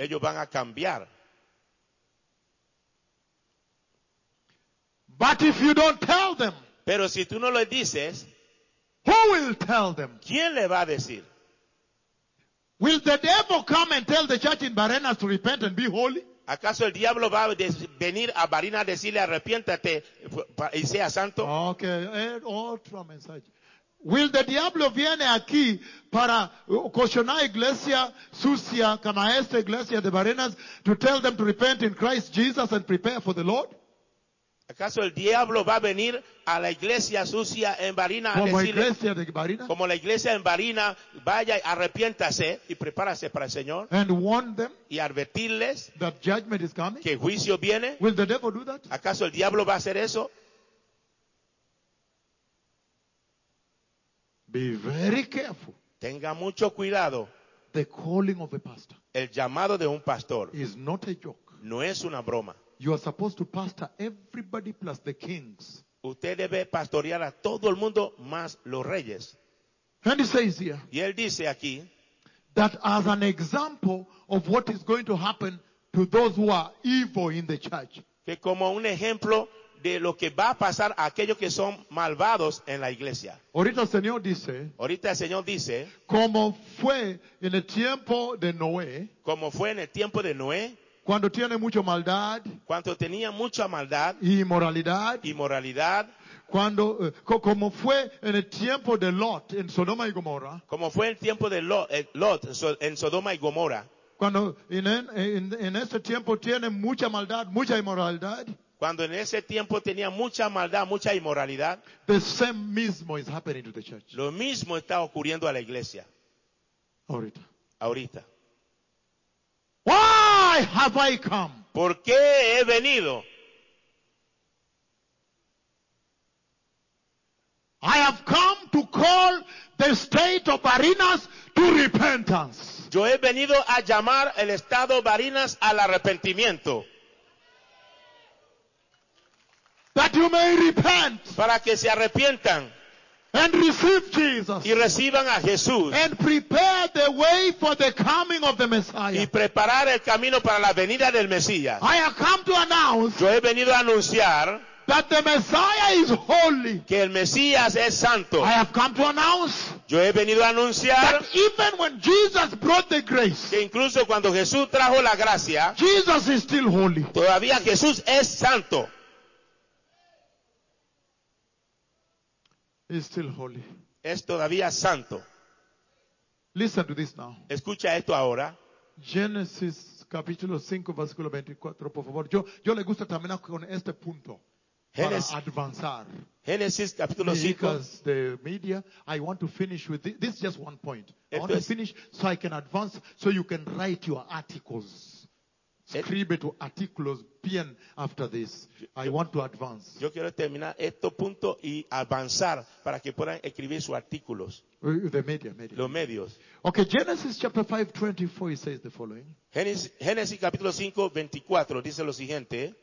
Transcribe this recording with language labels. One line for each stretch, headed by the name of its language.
Spanish: Ellos van a cambiar.
English: But if you don't tell them,
Spanish: pero si tú no le dices,
English: who will tell them?
Spanish: ¿Quién le va a decir?
English: Will the devil come and tell the church in Barrenas to repent and be holy?
Spanish: ¿Acaso el diablo va a venir a Barrenas a decirle arrepiéntate y sea santo?
English: Okay,
Spanish: otro mensaje.
English: Will the
Spanish: diablo viene aquí para cuestionar iglesia sucia como esta iglesia de Barrenas
English: to tell them to repent in Christ Jesus and prepare for the Lord?
Spanish: ¿Acaso el diablo va a venir a la iglesia sucia en Barrenas a decirle, iglesia de Barrenas, como la iglesia en Barrenas, vaya, arrepiéntase y prepárase para el Señor,
English: and warn them,
Spanish: y advertirles
English: that judgment is coming,
Spanish: que juicio viene?
English: Will the devil do that?
Spanish: ¿Acaso el diablo va a hacer eso?
English: Be very careful.
Spanish: Tenga mucho cuidado.
English: The calling of a pastor,
Spanish: el llamado de un pastor,
English: is not a joke.
Spanish: No es una broma.
English: You are supposed to pastor everybody plus the kings.
Spanish: Usted debe pastorear a todo el mundo más los reyes.
English: And he says here,
Spanish: y él dice aquí,
English: that as an example of what is going to happen to those who are evil in the church.
Spanish: Que como un ejemplo de lo que va a pasar a aquellos que son malvados en la iglesia. Ahorita el Señor dice, como fue en el tiempo de Noé, como fue en el tiempo de Noé, cuando tiene mucha maldad, cuando tenía mucha maldad y inmoralidad, inmoralidad, cuando como fue en el tiempo de Lot en Sodoma y Gomorra, como fue el tiempo de Lot en Sodoma y Gomorra, cuando en ese tiempo tiene mucha maldad, mucha inmoralidad. Cuando en ese tiempo tenía mucha maldad, mucha inmoralidad.
English: The same mismo is happening to the church.
Spanish: Lo mismo está ocurriendo a la iglesia. Ahorita. Ahorita.
English: Why have I come?
Spanish: ¿Por qué he venido?
English: I have come to call the state of Barrenas to repentance.
Spanish: Yo he venido a llamar el estado Barrenas al arrepentimiento.
English: That you may repent,
Spanish: para que se arrepientan,
English: and receive Jesus,
Spanish: y reciban a Jesús,
English: and prepare the way for the coming of the Messiah,
Spanish: y preparar el camino para la venida del Mesías.
English: I have come to announce,
Spanish: yo he venido a anunciar,
English: that the Messiah is holy,
Spanish: que el Mesías es santo.
English: I have come to announce,
Spanish: yo he venido a anunciar,
English: that even when Jesus brought the grace,
Spanish: que incluso cuando Jesús trajo la gracia,
English: Jesus is still holy,
Spanish: todavía Jesús es santo.
English: Is still holy.
Spanish: Es todavía santo.
English: Listen to this now.
Spanish: Escucha esto ahora. Genesis capítulo 5, versículo 24, por favor. Yo le gusta terminar con este punto. Génesis, para avanzar. Génesis capítulo 5.
English: The media, I want to finish with this. This is just one point. Esto I want to finish so I can advance, so you can write your articles.
Spanish: Escribe tu artículos bien
English: after this. I want to advance.
Spanish: Yo quiero terminar este punto y avanzar para que puedan escribir sus artículos.
English: The media, media.
Spanish: Los medios.
English: Okay, Genesis chapter 5, 24, it says the following.
Spanish: Génesis capítulo 5, 24, dice lo siguiente.